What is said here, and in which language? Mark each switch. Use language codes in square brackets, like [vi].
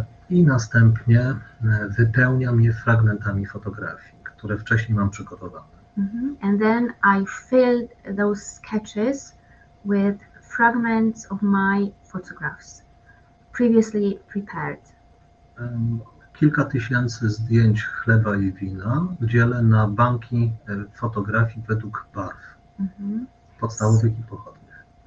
[pl] I następnie wypełniam je fragmentami fotografii, które wcześniej mam przygotowane. [en] And then I filled those sketches with fragments of my photographs previously prepared. [pl] Kilka tysięcy zdjęć chleba i wina dzielę na banki fotografii według barw podstawowych i pochodnych.